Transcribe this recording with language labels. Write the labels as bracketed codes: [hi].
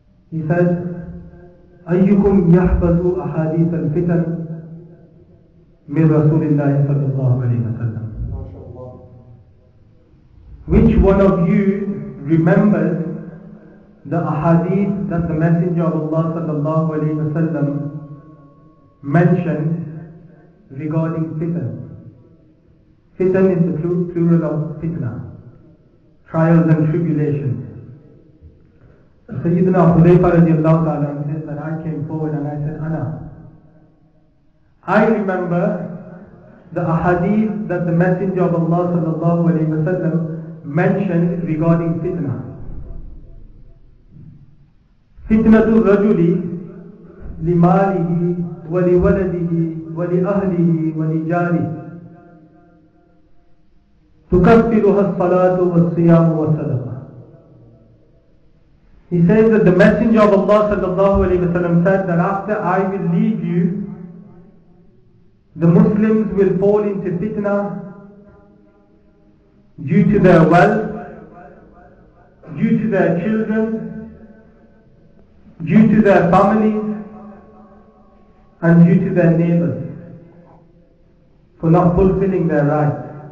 [en] He said, [ar] أَيُّكُمْ يَحْفَظُ أَحَادِيثَ الْفِتَنْ مِنْ رَسُولِ اللَّهِ صَلَّى اللَّهُ عَلَيْهِ وَسَلَّمْ. [en] Which one of you remembers the ahadith that the Messenger of Allah [ar] صلى الله عليه وسلم [en] mentioned regarding fitan? Fitan is the plural of fitna, trials and tribulations. Sayyidina Hudhayfa رضي الله تعالى said that I came forward and I said, Ana, I remember the ahadith that the Messenger of Allah [ar] صلى الله عليه وسلم [en] mentioned regarding fitna. [ar] فتنة الرجل لماله ولولده ولأهله ولجاره تكفرها الصلاة والصيام والصدقة. [en] He says that the Messenger of Allah sallallahu alayhi wa sallam said that after I will leave you, the Muslims will fall into fitna due to their wealth, due to their children, due to their families, and due to their neighbors for not fulfilling their rights.